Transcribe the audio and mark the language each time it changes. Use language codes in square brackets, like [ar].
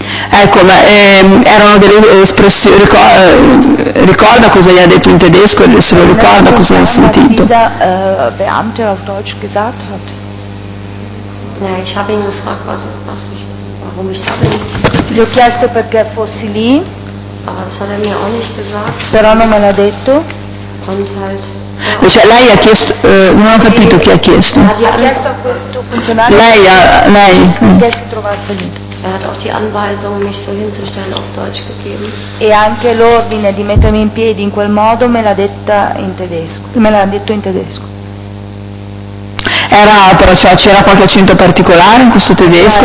[it] Ecco, ma erano delle espressioni, ricorda cosa gli ha detto in tedesco, se lo ricorda cosa ha sentito. [de] Dieser Beamte auf Deutsch gesagt hat. Ja, ich habe ihn gefragt, was ich, warum ich da bin. [it] Gli ho chiesto perché fossi lì. [de] Aber das hat mir auch nicht gesagt. [it] Però non me l'ha detto. [de] Und halt. [it] Cioè, lei ha chiesto, non ho capito chi ha chiesto. Ha chiesto a questo funzionario. Lei ha, lei. Che si trovasse lì. [de] Er hat auch die Anweisung, mich so hinzustellen, auf Deutsch gegeben. [it] E anche l'ordine di mettermi in piedi in quel modo me l'ha detta in tedesco. Me l'ha detto in tedesco. Era, però, cioè, c'era qualche accento particolare in questo tedesco?